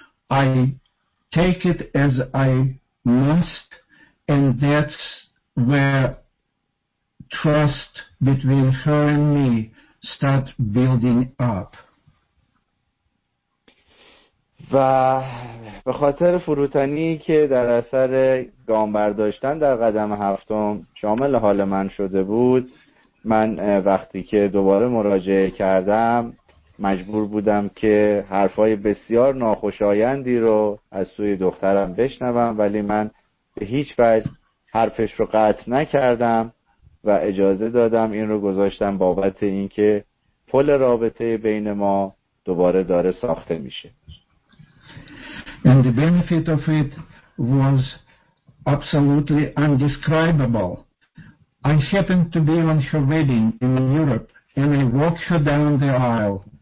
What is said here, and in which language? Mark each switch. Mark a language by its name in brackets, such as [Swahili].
[English] I take it as I must, and that's where trust between her and me start building up. [Persian] و به خاطر فروتنی که در اثر گام برداشتن در قدم هفتم شامل حال من شده بود، من وقتی که دوباره مراجعه کردم مجبور بودم که حرفای بسیار ناخوشایندی رو از سوی دخترم بشنوم، ولی من به هیچ وجه حرفش رو قطع نکردم و اجازه دادم، این رو گذاشتم بابت اینکه پل رابطه بین ما دوباره داره ساخته میشه. [English] And the benefit of it was absolutely indescribable. I happened to be on her wedding in Europe, and I walked her down the aisle.